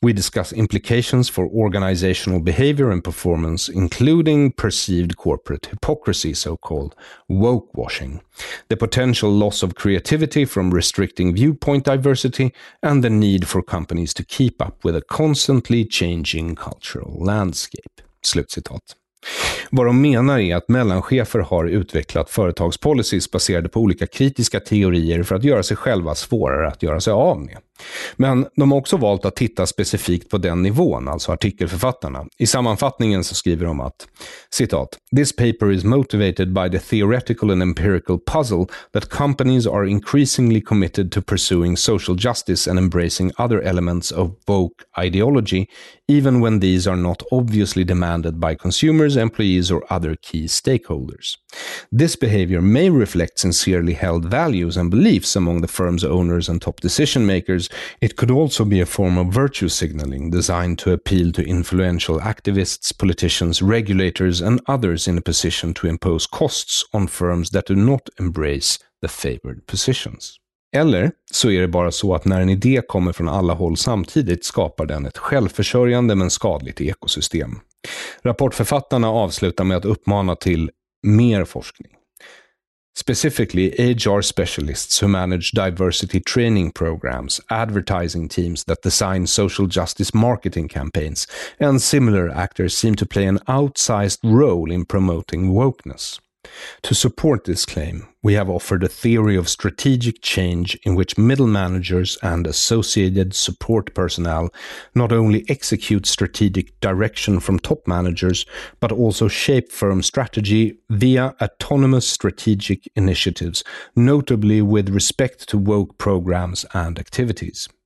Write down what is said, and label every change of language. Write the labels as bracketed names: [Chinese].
[English] We discuss implications for organizational behavior and performance, including perceived corporate hypocrisy, so-called woke washing, the potential loss of creativity from restricting viewpoint diversity, and the need for companies to keep up with a constantly changing cultural landscape. [Swedish] Slutcitat. Vad de menar är att mellanchefer har utvecklat företagspolicies baserade på olika kritiska teorier för att göra sig själva svårare att göra sig av med. Men de har också valt att titta specifikt på den nivån, alltså artikelförfattarna. I sammanfattningen så skriver de att, citat, [English] "This paper is motivated by the theoretical and empirical puzzle that companies are increasingly committed to pursuing social justice and embracing other elements of woke ideology, even when these are not obviously demanded by consumers, employees or other key stakeholders. This behavior may reflect sincerely held values and beliefs among the firm's owners and top decision makers. It could also be a form of virtue signaling designed to appeal to influential activists, politicians, regulators and others in a position to impose costs on firms that do not embrace the favored positions." [Swedish] Eller så är det bara så att när en idé kommer från alla håll samtidigt skapar den ett självförsörjande men skadligt ekosystem. Rapportförfattarna avslutar med att uppmana till mer forskning. [English] Specifically, HR specialists who manage diversity training programs, advertising teams that design social justice marketing campaigns, and similar actors seem to play an outsized role in promoting wokeness. To support this claim, we have offered a theory of strategic change in which middle managers and associated support personnel not only execute strategic direction from top managers, but also shape firm strategy via autonomous strategic initiatives, notably with respect to woke programs and activities.